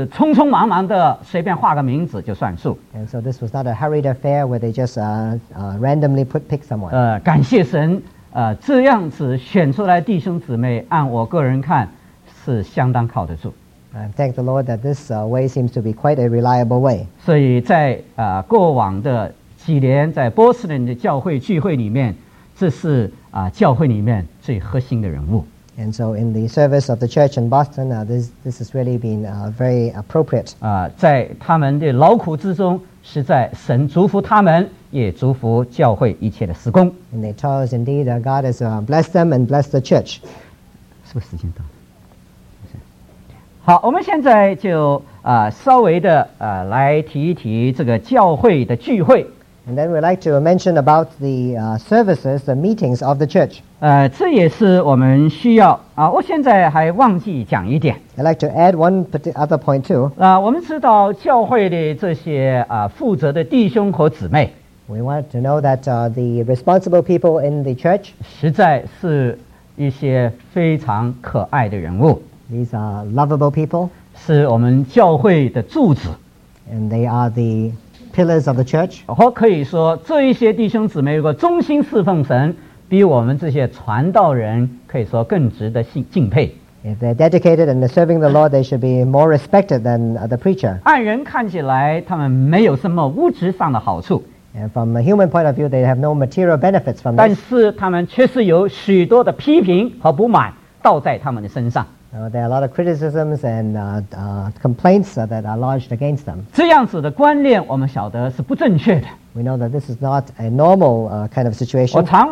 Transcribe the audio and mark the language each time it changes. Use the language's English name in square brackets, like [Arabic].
[Chinese] 而不是匆匆忙忙的随便画个名字就算数, [English] and so this was not a hurried affair where they just randomly pick someone. [Chinese] 感谢神, 这样子选出来弟兄姊妹按我个人看是相当靠得住, [English] thank the Lord that this way seems to be quite a reliable way. [Chinese] 所以在 过往的 几年在波士顿的教会聚会里面, 这是, 教会里面最核心的人物, [English] and so in the service of the church in Boston, this has really been very appropriate. [Chinese] 在他们的劳苦之中, 实在神祝福他们, 也祝福教会一切的事工, [English] in their toils indeed, God has blessed them and blessed the church. [Chinese] 好, 我们现在就, 稍微的, 来提一提这个教会的聚会, [English] and then we'd like to mention about the services, the meetings of the church. [Chinese] 这也是我们需要, 我现在还忘记讲一点, [English] I'd like to add one other point too. [Chinese] 我们知道教会的这些, 负责的弟兄和姊妹, [English] we want to know that the responsible people in the church, [Chinese] 实在是一些非常可爱的人物, [English] these are lovable people, [Chinese] 是我们教会的柱子, [English] and they are the pillars of the church. [Chinese] 或可以说这一些弟兄姊妹如果忠心侍奉神, 比我们这些传道人可以说更值得敬佩, [English] if they're dedicated and they're serving the Lord, they should be more respected than the preacher. [Chinese] 按人看起来他们没有什么物质上的好处, [English] and from a human point of view, they have no material benefits from this. [Chinese] 但是他们确实有许多的批评和不满倒在他们的身上, [English] There are a lot of criticisms and complaints that are lodged against them. [Chinese] 这样子的观念我们晓得是不正确的, [English] we know that this is not a normal kind of situation.